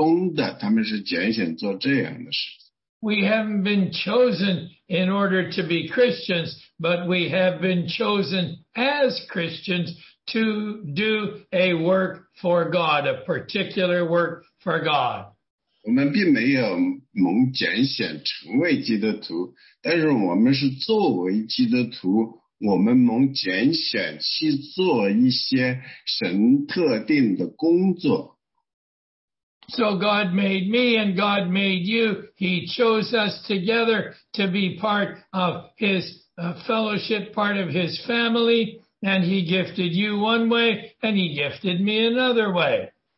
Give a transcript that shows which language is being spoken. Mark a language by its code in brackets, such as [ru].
[zh] 因为这个答案呢,就是说,这些人呢,是被拣选,拣选在那一个特定的当地教会里去做特定的神的工的,他们是拣选做这样的事。 [en] We haven't been chosen in order to be Christians, but we have been chosen as Christians to do a work for God, a particular work for God. [zh] 我们并没有蒙拣选成为基督徒,但是我们是作为基督徒,我们蒙拣选去做一些神特定的工作。 [en] So God made me and God made you. He chose us together to be part of his fellowship, part of his family. And he gifted you one way and he gifted me another way.